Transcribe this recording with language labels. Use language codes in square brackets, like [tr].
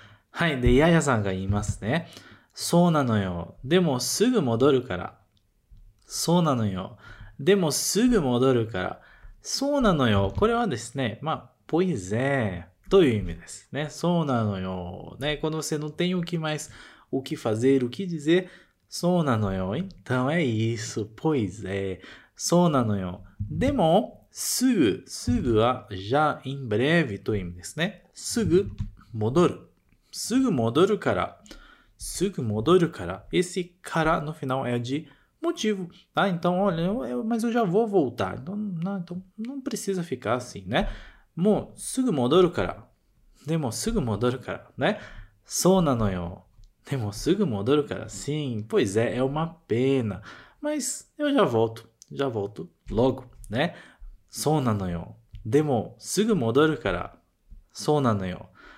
[ja] はい、で、ややさんが言いますね。そうなのよ。でもすぐ戻るから。そうなのよ。でもすぐ戻るから。そうなのよ。これはですね、まあ、ポイゼーという意味です。ね、そうなのよ。 [pt] ね、quando você não tem o que mais, o que fazer, o que dizer, そうなのよ。 Então é isso, ポイゼー。 [ja] そうなのよ。でも、すぐ、すぐは、 [pt] já, em breve [ja] という意味ですね。すぐ、戻る。すぐ戻るから。すぐ戻るから。 [pt] esse からの final é de,motivo, tá? Então, olha, mas eu já vou voltar. Então não precisa ficar assim, né? [ja] もうすぐ戻るから。でもすぐ戻るから、né? そうなのよ。でもすぐ戻るから。 [pt] Sim, pois é, é uma pena. Mas eu já volto logo, né? [ja] そうなのよ。でもすぐ戻るから。そうなのよ。